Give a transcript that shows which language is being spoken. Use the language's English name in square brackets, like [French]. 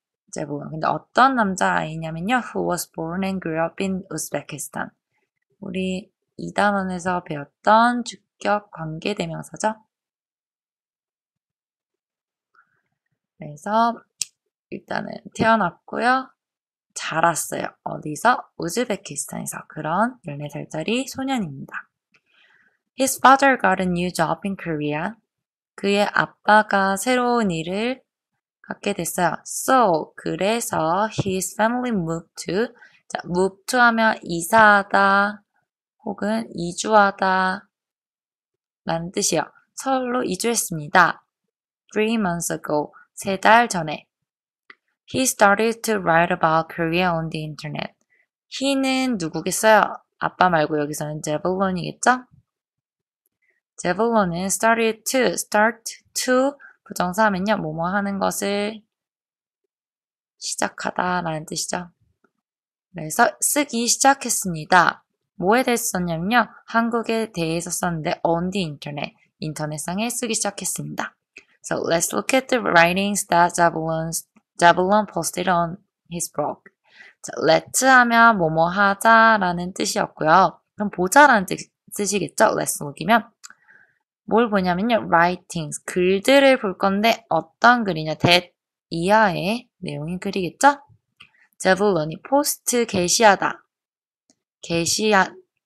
[Korean] 제부분. 근데 어떤 남자아이냐면요. [English] Who was born and grew up in Uzbekistan. [Korean] 우리 이 단원에서 배웠던 주격 관계대명사죠. 그래서 일단은 태어났고요. 자랐어요. 어디서? 우즈베키스탄에서. 그런 14살짜리 소년입니다. [English] His father got a new job in Korea. [Korean] 그의 아빠가 새로운 일을 갖게 됐어요. So, 그래서 [English] his family moved to, [Korean] 자, move to 하면 이사하다 혹은 이주하다 라는 뜻이요. 서울로 이주했습니다. [English] 3 months ago, [Korean] 세달 전에. [English] He started to write about Korea on the internet. [Korean] He는 누구겠어요? 아빠 말고 여기서는 제블론이겠죠? 제블론은 start to 부정사하면요. 뭐뭐 하는 것을 시작하다라는 뜻이죠. 그래서 쓰기 시작했습니다. 뭐에 대해서 썼냐면요. 한국에 대해서 썼는데 [English] on the internet, [Korean] 인터넷상에 쓰기 시작했습니다. [English] So let's look at the writings that Javlon posted on his blog. [Korean] So, let's 하면 뭐뭐 하자라는 뜻이었고요. 그럼 보자라는 뜻이겠죠? Let's look이면. 뭘 보냐면요. Writings, 글들을 볼 건데 어떤 글이냐. That 이하의 내용인 글이겠죠? 제블론이 포스트 게시하다. 게시한.